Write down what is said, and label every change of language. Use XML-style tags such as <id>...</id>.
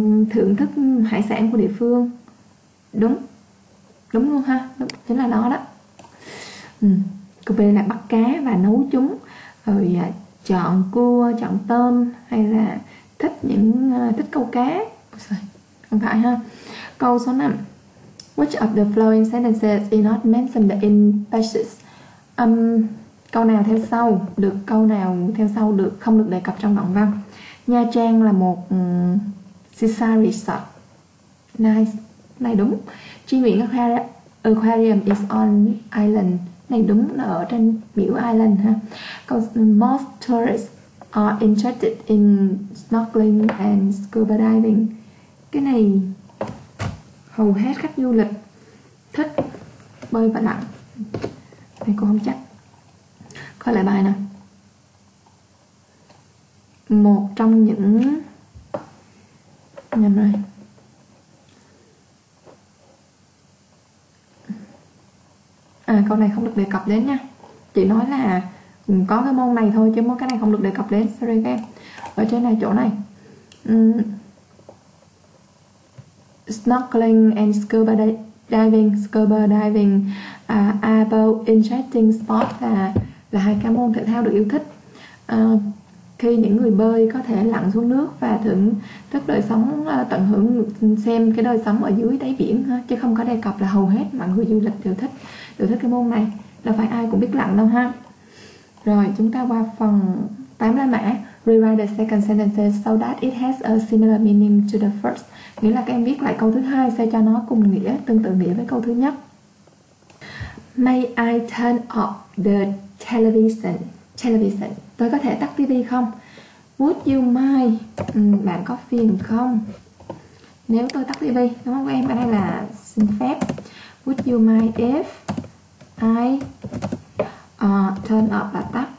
<vi>Thưởng thức hải sản của địa phương. Đúng. Đúng luôn ha. Đúng. Chính là nó đó. Câu B là bắt cá và nấu chúng. Rồi chọn cua, chọn tôm hay là thích câu cá. Không phải ha. Câu số 5.</vi> <en>Which of the following sentences is not mentioned in passage?</en> <vi>Câu nào theo sau được câu nào theo sau được không được đề cập trong đoạn văn? Nha Trang là một</vi> <en>seaside resort. Nice.</en> <vi>Này đúng.</vi> <en>Chi Nguyễn Aquarium is on island.</en> <vi>Này đúng, là ở trên biểu island ha.</vi> <en>Câu, most tourists are interested in snorkeling and scuba diving.</en> <vi>Cái này hầu hết khách du lịch thích bơi và lặn. Này cô không chắc. Coi lại bài nào. Một trong những nhầm rồi. À, câu này không được đề cập đến nha. Chị nói là có cái môn này thôi chứ mỗi cái này không được đề cập đến.</vi> <en>Sorry</en> <vi>các em. Ở trên này chỗ này.</vi> <en>Snorkeling and scuba diving are both interesting sports,</en> <vi>là hai cái môn thể thao được yêu thích. Khi những người bơi có thể lặn xuống nước và thưởng thức đời sống, tận hưởng xem cái đời sống ở dưới đáy biển ha. Chứ không có đề cập là hầu hết mọi người du lịch đều thích cái môn này, đâu phải ai cũng biết lặn đâu ha. Rồi chúng ta qua phần 8 la mã.</vi> <en>Rewrite the second sentence so that it has a similar meaning to the first.</en> <vi>Nghĩa là các em viết lại câu thứ hai sao cho nó cùng nghĩa, tương tự nghĩa với câu thứ nhất.</vi> <en>May I turn off the television? Television.</en> <vi>Tôi có thể tắt tivi không?</vi> <en>Would you mind?</en> <vi>Bạn có phiền không? Nếu tôi tắt tivi, đúng không các em? Ở đây là xin phép.</vi> <en>Would you mind if I turn off,</en> <vi>là tắt.</vi>